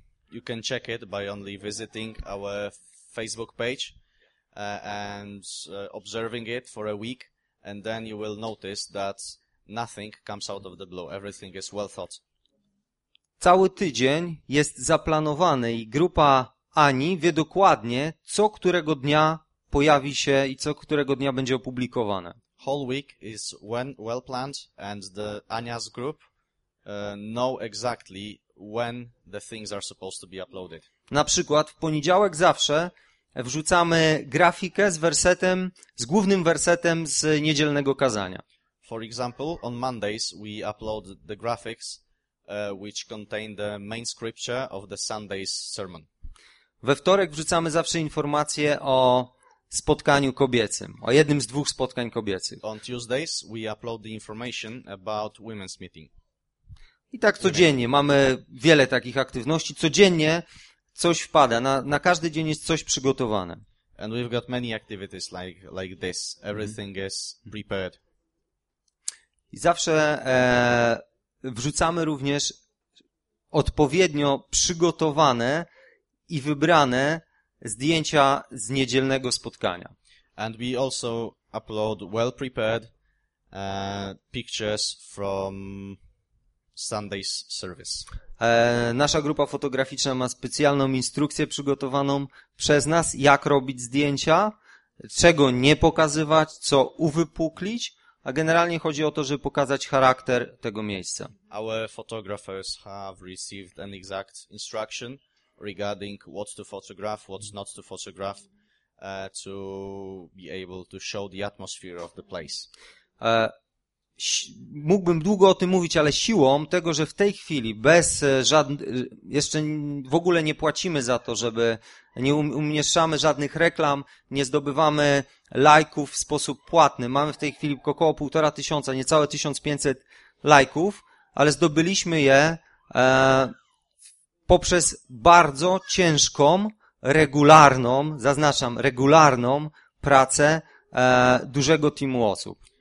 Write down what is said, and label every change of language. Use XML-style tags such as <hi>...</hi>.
<en>You can check it by only visiting our Facebook page and observing it for a week and then you will notice that nothing comes out of the blue. Everything is well thought.</en> <pl>Cały tydzień jest zaplanowany i grupa Ani wie dokładnie, co którego dnia pojawi się i co którego dnia będzie opublikowane.</pl> <en>Whole week is well planned and the Ania's group know exactly when the things are supposed to be uploaded.</en> <pl>Na przykład w poniedziałek zawsze wrzucamy grafikę z wersetem, z głównym wersetem z niedzielnego kazania.</pl> <en>For example, on Mondays we upload the graphics which contain the main scripture of the Sunday's sermon.</en> <pl>We wtorek wrzucamy zawsze informacje o spotkaniu kobiecym, o jednym z dwóch spotkań kobiecych.</pl> <en>On Tuesdays we upload the information about women's meeting.</en> <pl>I tak codziennie mamy wiele takich aktywności, codziennie coś wpada, na każdy dzień jest coś przygotowane.</pl> <en>And we've got many activities like this. Everything is prepared.</en> <pl>I zawsze wrzucamy również odpowiednio przygotowane i wybrane zdjęcia z niedzielnego spotkania.</pl> <en>And we also upload well prepared pictures from Sunday's service.</en> <pl>Nasza grupa fotograficzna ma specjalną instrukcję przygotowaną przez nas, jak robić zdjęcia, czego nie pokazywać, co uwypuklić. A generalnie chodzi o to, żeby pokazać charakter tego miejsca.</pl> <en>Our photographers have received an exact instruction regarding what to photograph, what not to photograph, to be able to show the atmosphere of the place.</en> <pl>Mógłbym długo o tym mówić, ale siłą tego, że w tej chwili bez jeszcze w ogóle nie płacimy za to, żeby nie umieszczamy żadnych reklam, nie zdobywamy lajków w sposób płatny. Mamy w tej chwili około 1500, niecałe 1500 lajków, ale zdobyliśmy je poprzez bardzo ciężką, regularną, zaznaczam, regularną pracę dużego teamu osób.</pl>